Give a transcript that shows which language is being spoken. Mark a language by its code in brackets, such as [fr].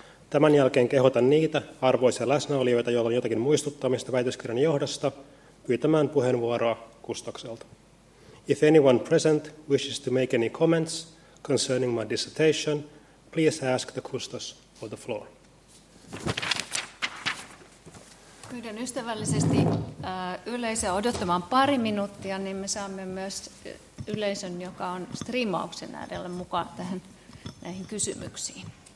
[fi] Tämän jälkeen kehotan niitä arvoisia läsnäolijoita, joilla on jotakin muistuttamista väitöskirjan johdosta, pyytämään puheenvuoroa Gustakselta. [en] If anyone present wishes to make any comments concerning my dissertation, please ask the Kustos for the floor. [fi] Pyydän ystävällisesti yleisö odottamaan pari minuuttia, niin me saamme myös yleisön, joka on striimauksen äärellä mukaan tähän näihin kysymyksiin.